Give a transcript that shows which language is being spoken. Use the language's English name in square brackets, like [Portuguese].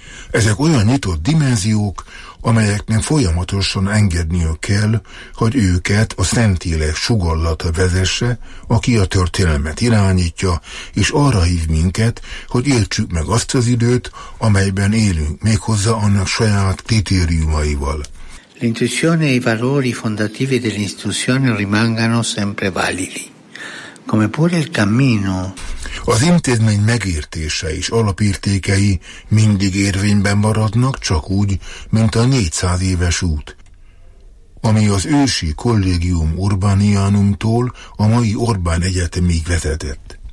[Hungarian] Ezek olyan nyitott dimenziók, amelyeknek folyamatosan engedniük kell, hogy őket a Szentlélek sugallata vezesse, aki a történelmet irányítja, és arra hív minket, hogy értsük meg azt az időt, amelyben élünk, méghozzá annak saját kritériumaival. [Italian] L'intuizione e i valori fondativi dell'istruzione rimangano sempre validi. Come pure il cammino. [Hungarian] Az intézmény megértése és alapértékei mindig érvényben maradnak, csak úgy, mint a 400 éves út, ami az ősi Collegium Urbanianumtól a mai Orbán Egyetemig vezetett.